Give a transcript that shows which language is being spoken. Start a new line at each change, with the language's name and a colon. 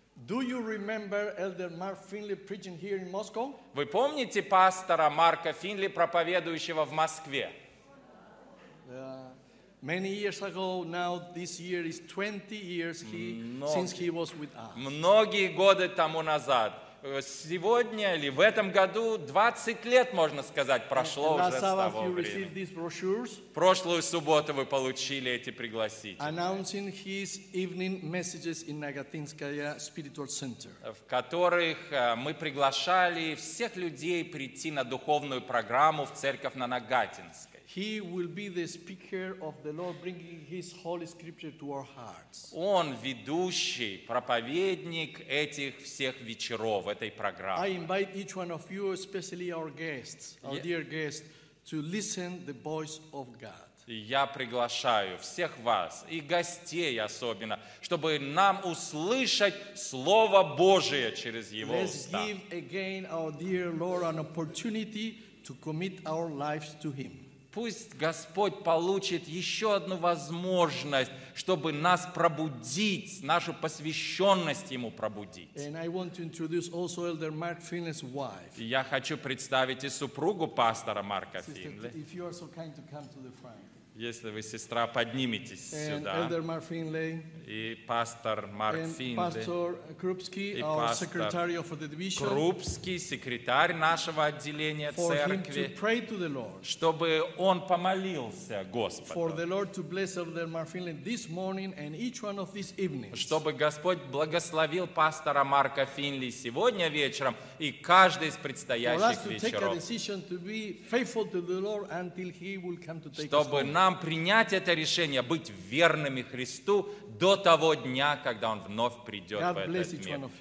English: Do you remember Elder Mark Finley preaching here in Moscow?
Russian: Вы помните пастора Марка Финли, проповедующего в Москве?
English: Many years ago, now this year is 20 years since he was with us.
Russian: Многие годы тому назад. Сегодня или в этом году 20 лет, можно сказать, прошло уже с того времени. Прошлую субботу вы получили эти пригласительные, в которых мы приглашали всех людей прийти на духовную программу в церковь на Нагатинске.
English: He will be the speaker of the Lord, bringing His Holy Scripture to our hearts.
Russian: Он ведущий, проповедник этих всех вечеров этой программы.
English: I invite each one of you, especially our guests, our dear guests, to listen the voice of God.
Russian: Я приглашаю всех вас, и гостей особенно, чтобы нам услышать Слово Божие через Его уста.
English: Let's give again our dear Lord an opportunity to commit our lives to Him.
Russian: Пусть Господь получит еще одну возможность, чтобы нас пробудить, нашу посвященность Ему пробудить.
English: And I want to introduce also Elder Mark Finley's wife.
Russian: Я хочу представить и супругу пастора Марка Финли.
English: If you are so kind to come to the front.
Russian: Если вы, сестра, подниметесь
English: and
Russian: сюда.
English: Elder Mark Finley.
Russian: И пастор Марк Финли.
English: Pastor Krupski, и our pastor secretary of the division.
Russian: Krupski, секретарь нашего отделения
English: for
Russian: церкви.
English: Him to pray to the Lord.
Russian: Чтобы он помолился Господу.
English: For the Lord to bless Elder Mark Finley this morning and each one of these evenings.
Russian: Чтобы Господь благословил пастора Марка Финли сегодня вечером и каждый из предстоящих
English: for us to
Russian: вечеров.
English: Take a decision to be faithful to the Lord until He will come to take
Russian: чтобы нам принять это решение быть верными Христу до того дня, когда Он вновь придет в этот мир.